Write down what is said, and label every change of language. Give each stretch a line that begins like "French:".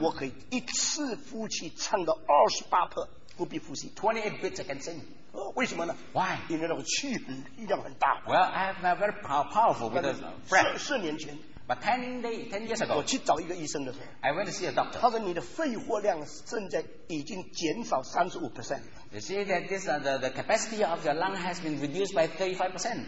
Chinese: 我可以一次呼气唱到28拍，不必呼吸。
English: 28 beats I can sing.
Chinese: 为什么呢?
English: Why?
Chinese: 因为那个气很力量很大。
English: Well, I have a very powerful with a breath.
Chinese: 4年前。
English: But 10 years ago,
Chinese: 我去找一个医生的时候,
English: I went to see a doctor.
Chinese: 他说你的肺活量正在已经减少35%。
English: They say that this, the capacity of your lung has been reduced by 35%.